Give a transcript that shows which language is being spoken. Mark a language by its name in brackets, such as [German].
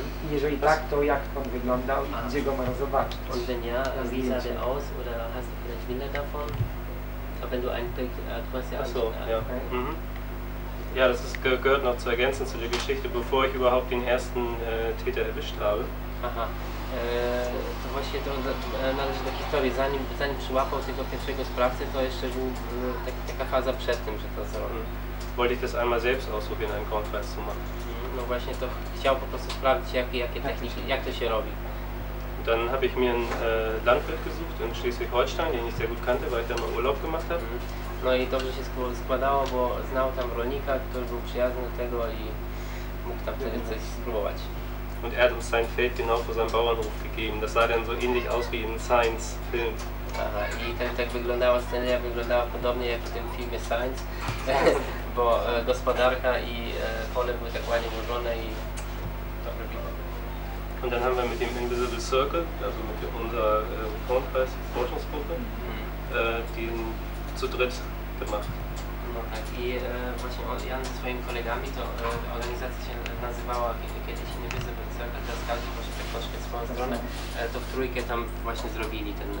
[Polish] Jeżeli tak, to jak on wyglądał i gdzie go mają zobaczyć? On wyglądał, [German] wie sah der aus, oder hast du vielleicht Bilder davon? Wenn du ein Pikt, du hast ja auch. Ja, das ist, gehört noch zu ergänzen zu der Geschichte, bevor ich überhaupt den ersten Täter erwischt habe. Aha. [Polish] To właśnie to należy do historii. Zanim przyłapał tego pierwszego sprawcę, to jeszcze był taka faza przed tym, że to zrobił. [German] Wollte ich das einmal selbst ausprobieren, einen Konfess zu machen. [Polish] No właśnie, to chciał po prostu sprawdzić, jakie techniki, jak to się robi. [German] Dann habe ich mir ein Landwirt gesucht in Schleswig-Holstein, den ich sehr gut kannte, weil ich da mal Urlaub gemacht habe. [Polish] No i dobrze się składało, bo znał tam rolnika, który był przyjazny do tego i mógł tam wtedy coś spróbować. [German] Und er hat sein Feld genau vor seinem Bauernhof gegeben. Das sah dann so ähnlich aus wie in Science Film. [Polish] Aha, i tak wyglądała scena, wyglądała podobnie jak w tym filmie Science, bo gospodarka i pole były tak ładnie ułożone i to robiło. [German] Und dann haben wir mit dem Invisible Circle, also mit unserer Kornkreis, Forschungsgruppe, den zu dritt gemacht. [Polish] No tak, i właśnie Jan ze swoimi kolegami, to organizacja się nazywała kiedyś Invisible Circle, teraz każdy może tak troszkę swoją stronę, to w trójkę tam właśnie zrobili ten...